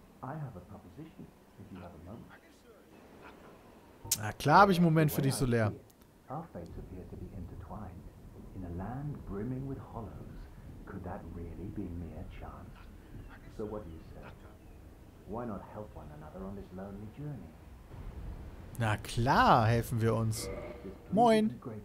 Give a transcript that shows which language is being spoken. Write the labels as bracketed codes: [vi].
[en] I have a proposition, if you have a moment. [de] Na klar, habe ich einen Moment für dich, Solaire. [en] Our fates appear to be intertwined. In a land brimming with hollows, could that really be mere chance? So what do you say? Why not help one another on this lonely journey? [de] Na klar, helfen wir uns. Moin.